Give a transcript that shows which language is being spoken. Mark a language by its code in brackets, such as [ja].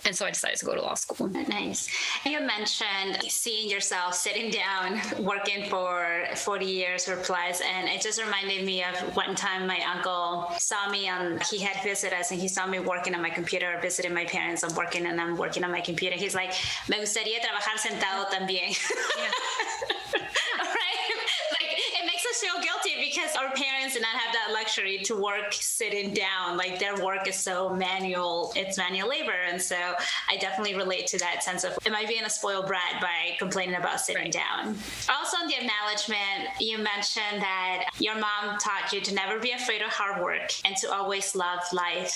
[en] And so I decided to go to law school. Nice. You mentioned seeing yourself sitting down working for 40 years or plus, and it just reminded me of one time my uncle saw me on, he had visited us and he saw me working on my computer, visiting my parents and working, and I'm working on my computer. [es] He's like, me gustaría trabajar sentado también. [en] Yeah. Right? Like, it makes us feel guilty because our parents did not have that luxury to work sitting down. Like, their work is so manual. It's manual labor. And so I definitely relate to that sense of, am I being a spoiled brat by complaining about sitting right. down? Also, on the acknowledgement, you mentioned that your mom taught you to never be afraid of hard work and to always love life.